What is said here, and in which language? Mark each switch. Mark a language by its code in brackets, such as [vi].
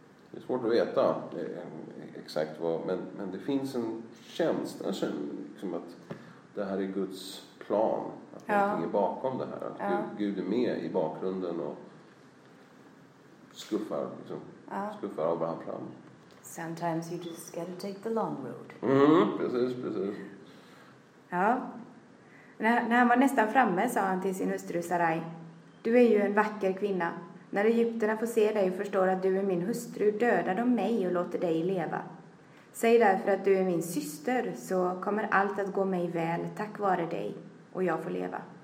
[sv] Det är svårt att veta exakt vad, men det finns en känsla liksom att det här är Guds plan, att ja, någonting är bakom det här, att ja, Gud är med i bakgrunden och skuffar liksom, ja, skuffar av varandra fram. [en] Sometimes you just gotta take the long road. [sv] Precis. Ja. När han var nästan framme sa han till sin hustru Sarai: du är ju en vacker kvinna. När egyptierna får se dig och förstår att du är min hustru, dödar de mig och låter dig leva. Säg därför att du är min syster, så kommer allt att gå mig väl tack vare dig, och jag får leva.